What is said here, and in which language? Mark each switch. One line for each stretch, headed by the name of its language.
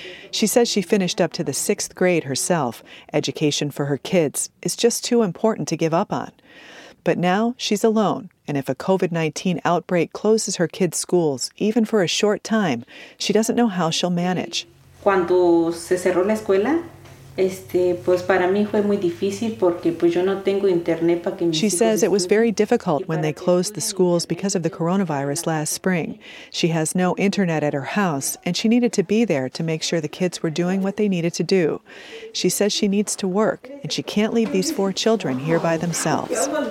English: She says she finished up to the sixth grade herself. Education for her kids is just too important to give up on. But now she's alone, and if a COVID-19 outbreak closes her kids' schools, even for a short time, she doesn't know how she'll manage.
Spanish: Cuando se cerró la escuela, pues para mí fue muy difícil porque pues yo no tengo internet para que mis
English: She says it was very difficult when they closed the schools because of the coronavirus last spring. She has no internet at her house, and she needed to be there to make sure the kids were doing what they needed to do. She says she needs to work, and she can't leave these four children here by themselves.